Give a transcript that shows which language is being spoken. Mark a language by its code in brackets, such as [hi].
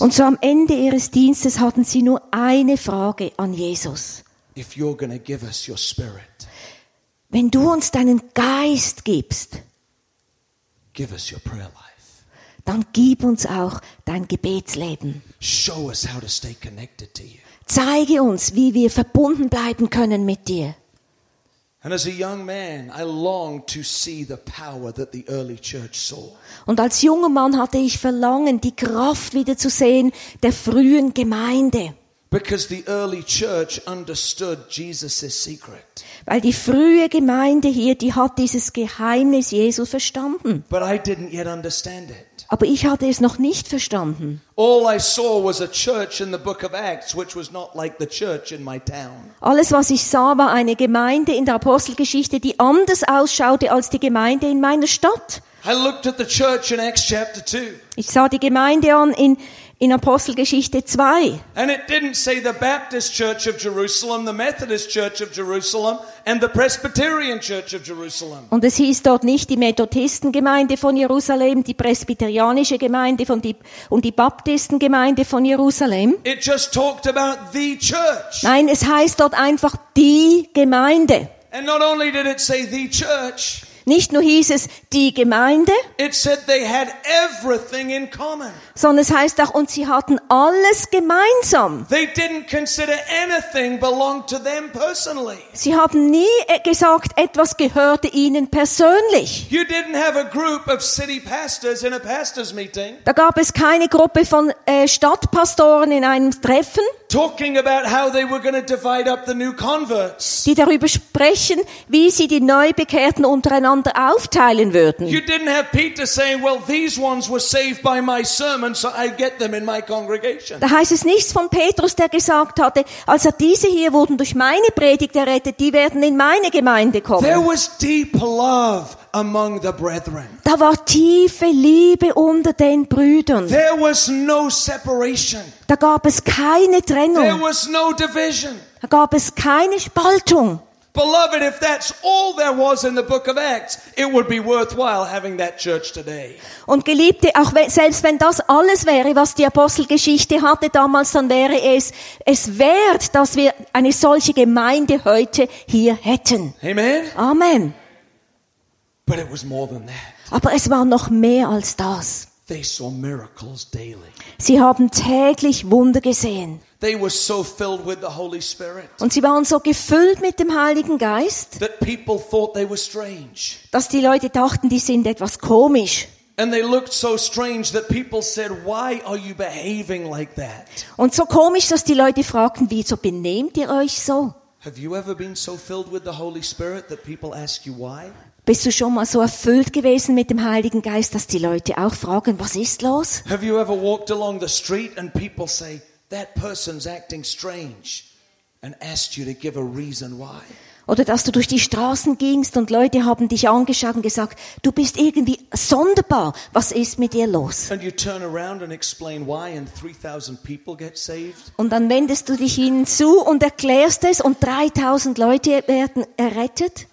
[de] Und so am Ende ihres Dienstes hatten sie nur eine Frage an Jesus. [en] If you're going to give us your spirit. [de] Wenn du uns deinen Geist gibst. [en] Give us your prayer life. [de] Dann gib uns auch dein Gebetsleben. [en] Show us how to stay connected to you. [de] Zeige uns, wie wir verbunden bleiben können mit dir. [en] And as a young man, I longed to see the power that the early church saw. [de] Und als junger Mann hatte ich Verlangen, die Kraft wieder zu sehen der frühen Gemeinde. [en] Because the early church understood Jesus' secret. [de] Weil die frühe Gemeinde hier, die hat dieses Geheimnis Jesu verstanden. [en] But I didn't yet understand it. [de] Aber ich hatte es noch nicht verstanden. [en] All I saw was a church in the book of Acts, which was not like the church in my town. [de] Alles, was ich sah, war eine Gemeinde in der Apostelgeschichte, die anders ausschaute als die Gemeinde in meiner Stadt. [en] I looked at the church in Acts chapter 2. [de] Ich sah die Gemeinde an in Apostelgeschichte 2. [en] And it didn't say the Baptist Church of Jerusalem, the Methodist Church of Jerusalem and the Presbyterian Church of Jerusalem. [de] Und es hieß dort nicht die Methodistengemeinde von Jerusalem, die presbyterianische Gemeinde von die und die Baptistengemeinde von Jerusalem. [en] It just talked about the church. [de] Nein, es heißt dort einfach die Gemeinde. [en] And not only did it say the church. [de] Nicht nur hieß es die Gemeinde, [en] it said they had everything in common. [de] Sondern es heißt auch, und sie hatten alles gemeinsam. [en] They didn't consider anything belonged to them personally. [de] Sie haben nie gesagt, etwas gehörte ihnen persönlich. [en] You didn't have a group of city pastors in a pastor's meeting. [de] Da gab es keine Gruppe von Stadtpastoren in einem Treffen. [en] Talking about how they were going to divide up the new converts. [de] Die darüber sprechen, wie sie die Neubekehrten untereinander aufteilen würden. [en] You didn't have Peter saying, well, these ones were saved by my sermon, so I get them in my congregation. [de] Da heißt es nichts von Petrus, der gesagt hatte, also diese hier wurden durch meine Predigt errettet, die werden in meine Gemeinde kommen. [en] There was deep love among the brethren. [de] Da war tiefe Liebe unter den Brüdern. [en] There was no separation. [de] Da gab es keine Trennung. [en] There was no division. [de] Da gab es keine Spaltung. [en] Beloved, if that's all there was in the book of Acts, it would be worthwhile having that church today. [de] Und Geliebte, auch selbst wenn das alles wäre, was die Apostelgeschichte hatte damals, dann wäre es wert, dass wir eine solche Gemeinde heute hier hätten. [en] Amen. [de] Amen. [en] But it was more than that. [de] Aber es war noch mehr als das. [en] They saw miracles daily. [de] Sie haben täglich Wunder gesehen. [en] They were so filled with the Holy Spirit. [de] Und sie waren so gefüllt mit dem Heiligen Geist, [en] that people thought they were strange. [de] Dass die Leute dachten, die sind etwas komisch. [en] And they looked so strange that people said, "Why are you behaving like that?" [de] Und so komisch, dass die Leute fragten, wieso benehmt ihr euch so? [en] Have you ever been so filled with the Holy Spirit that people ask you why? [de] Bist du schon mal so erfüllt gewesen mit dem Heiligen Geist, dass die Leute auch fragen, was ist los? [en] Have you ever walked along the street and people say, that person's acting strange, and asked you to give a reason why? [de] Oder dass du durch die Straßen gingst und Leute haben dich angeschaut und gesagt, du bist irgendwie sonderbar, was ist mit dir los? [en] And you turn around and explain why and 3,000 people get saved? [de] Und dann wendest du dich ihnen zu und erklärst es und 3,000 Leute werden errettet.